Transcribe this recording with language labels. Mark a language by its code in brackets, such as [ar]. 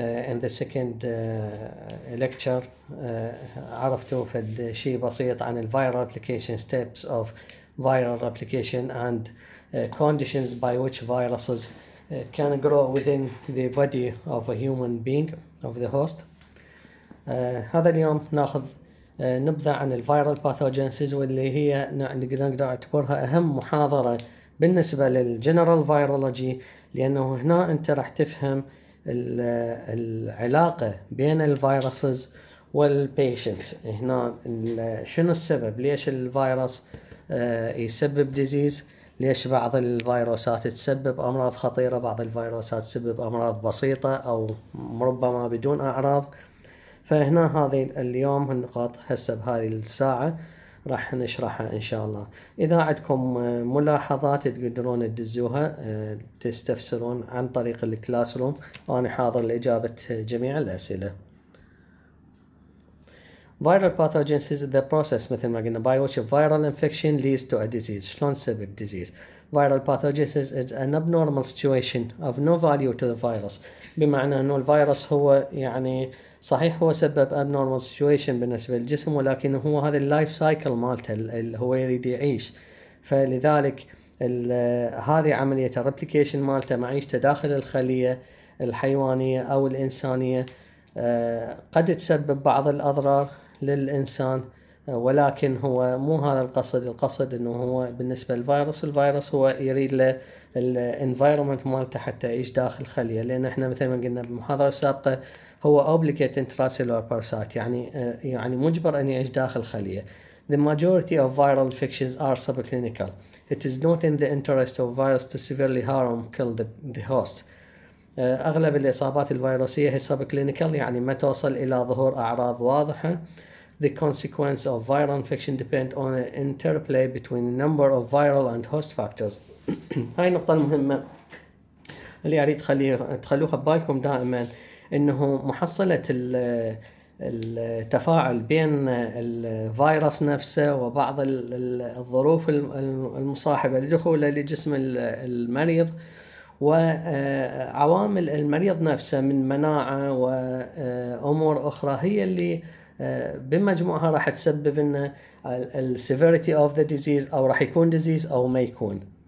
[en] In the second lecture, [ar] عرفتوا فد شيء بسيط عن [en] the viral replication, steps of viral replication, and conditions by which viruses can grow within the body of a human being, of the host. [ar] هذا اليوم ناخذ نبذة عن the viral pathogenesis, واللي هي نقدر نعتبرها أهم محاضرة بالنسبة لل general virology, لأنه هنا أنت راح تفهم العلاقة بين الفيروسز والبيشنت. هنا شنو السبب؟ ليش الفيروس يسبب ديزيز؟ ليش بعض الفيروسات تسبب أمراض خطيرة، بعض الفيروسات تسبب أمراض بسيطة أو ربما بدون أعراض؟ فهنا هذه اليوم النقاط هسه بهذه الساعة راح نشرحها إن شاء الله. إذا عندكم ملاحظات تقدرون تدزوها تستفسرون عن طريق الكلاس روم، وأنا حاضر لإجابة جميع الأسئلة. [en] Viral pathogenesis is the process [ar] مثل ما قلنا [en] by which a viral infection leads to a disease. [ar] شلون سبب [en] disease؟ Viral pathogenesis is an abnormal situation of no value to the virus. [ar] بمعنى أنه الفيروس هو يعني صحيح هو سبب abnormal situation بالنسبة للجسم، ولكن هو هذا life cycle مالته اللي هو يريد يعيش. فلذلك هذه عملية replication مالته، معيشته داخل الخلية الحيوانية أو الإنسانية، قد تسبب بعض الأضرار للإنسان، ولكن هو مو هذا القصد. القصد انه هو بالنسبة للفيروس، الفيروس هو يريد له الانفيرومنت مالته حتى يعيش داخل خلية، لان احنا مثل ما قلنا بالمحاضرة السابقة هو اوبليكيت انتراسيلور باراسايت، يعني مجبر ان يعيش داخل خلية. [en] The majority of viral infections are subclinical. It is not in the interest of virus to severely harm kill the host. [ar] اغلب الاصابات الفيروسية هي subclinical، يعني ما توصل الى ظهور اعراض واضحة. [en] The consequence of viral infection depend on an interplay between a number of viral and host factors. [ar] هاي النقطة المهمة اللي أريد تخلوها ببالكم دائما، إنه محصلة التفاعل بين الفيروس نفسه وبعض الظروف المصاحبة لدخوله لجسم المريض وعوامل المريض نفسه من مناعة وأمور أخرى هي اللي بمجموعها راح تسبب ان السيفيريتي اوف ذا ديزيز، او راح يكون ديزيز او ما يكون.